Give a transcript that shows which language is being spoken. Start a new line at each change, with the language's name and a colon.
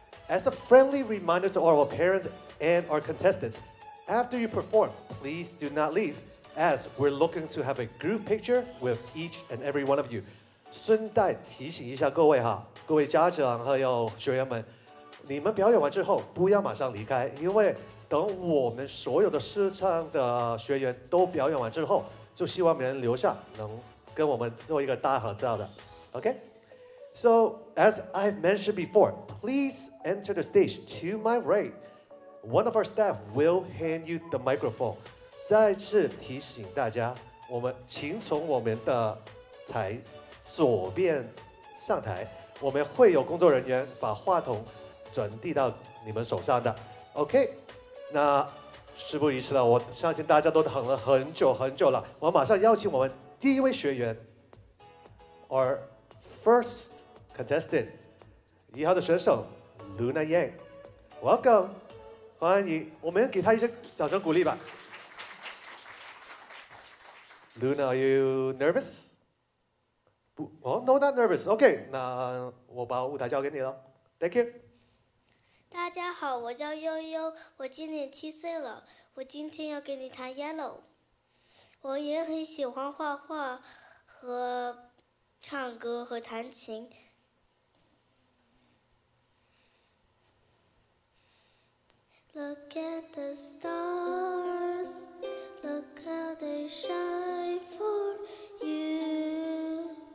English: As a friendly reminder to all our parents and our contestants, after you perform, please do not leave, as we're looking to have a group picture with each and every one of you.
Chinese: 顺带提醒一下各位哈，各位家长还有学员们，你们表演完之后不要马上离开，因为等我们所有的试唱的学员都表演完之后，就希望别人留下能跟我们做一个大合照的。
English: OK， So as I've mentioned before, please enter the stage to my right. One of our staff will hand you the microphone.
Chinese: 再次提醒大家，我们请从我们的台左边上台，我们会有工作人员把话筒转递到你们手上的。 OK，那事不宜迟了，我相信大家都等了很久很久了，我马上邀请我们第一位学员
English: Our first contestant
Chinese: 一号的选手 Luna Yang， Welcome， 欢迎，我们给他一些掌声鼓励吧。
English: Luna， are you nervous？
Chinese: 不、
English: oh, No not nervous。
Chinese: OK， 那我把舞台交给你了。
English: Thank you。
Chinese: 大家好，我叫悠悠，我今年7岁了，我今天要给你弹 Yellow。我也很喜欢画画和唱歌和弹琴。
English: Look at the stars, look how they shine for you.